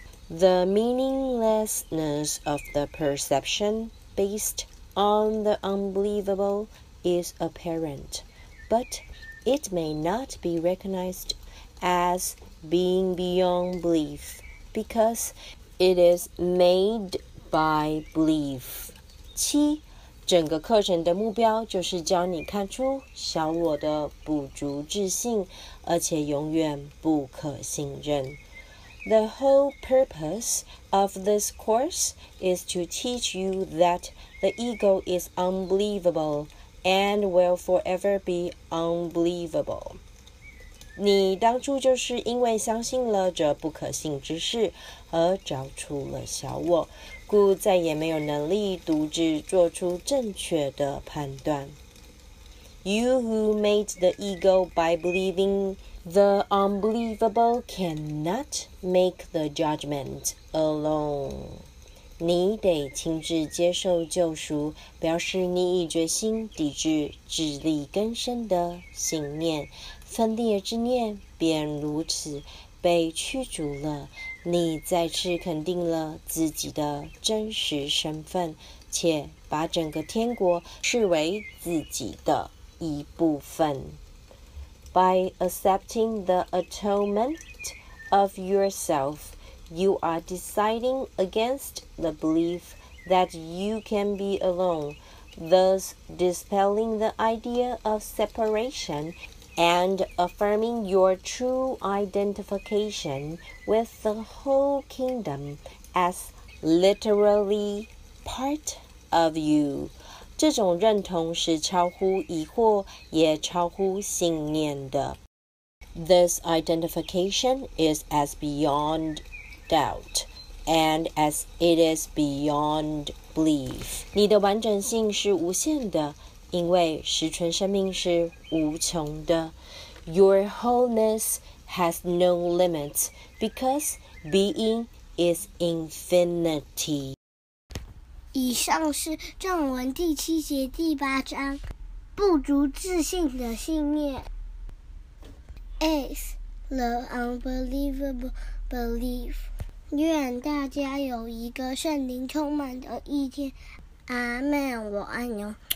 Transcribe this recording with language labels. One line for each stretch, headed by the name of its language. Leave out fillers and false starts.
English: The meaninglessness of the perception based on the unbelievable is apparent, but it may not be recognized as being beyond belief because it is made by belief.
Chinese: 七，整个课程的目标就是教你看出小我的不足置信，而且永远不可信任。
English: The whole purpose of this course is to teach you that the ego is unbelievable and will forever be unbelievable.
Chinese: 你当初就是因为相信了这不可信之事而找出了小我，故再也没有能力独自做出正确的判断。
English: You who made the ego by believing the unbelievable cannot make the judgment alone.
Chinese: 你得亲自接受救赎，表示你已决心抵制自力更生的信念。分裂之念便如此被驱逐了，你再次肯定了自己的真实身份，且把整个天国视为自己的一部分。
English: By accepting the atonement of yourself, you are deciding against the belief that you can be alone, thus dispelling the idea of separation and affirming your true identification with the whole kingdom as literally part of you.
Chinese: 这种认同是超乎疑惑，也超乎信念的。
English: This identification is as beyond doubt and as it is beyond belief.
Chinese: 你的完整性是无限的，因为实存生命是无穷的。
English: Your wholeness has no limits because being is infinity.
Chinese: 以上是正文第七节第八章，不足置信的信念。
English: Is the unbelievable belief.
Chinese: 愿大家有一个圣灵充满的一天。阿们，我爱你哦。